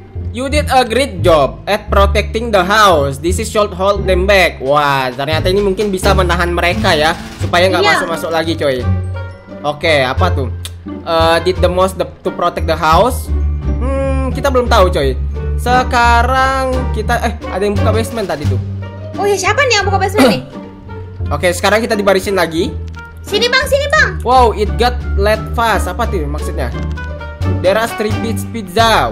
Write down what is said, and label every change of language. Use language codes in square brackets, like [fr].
[en] You did a great job at protecting the house. This is should hold them back. [id] Wah, ternyata ini mungkin bisa menahan mereka ya, supaya nggak masuk-masuk lagi coy. Oke, apa tuh? [en] Did the most to protect the house? [id] Kita belum tahu coy. Sekarang kita ada yang buka basement tadi tuh. Oh ya, siapa nih yang buka basement nih? Oke, sekarang kita dibarisin lagi. Sini bang. [en] Wow, it got led fast. [id] Apa tuh maksudnya? [en] There are 3 pizza.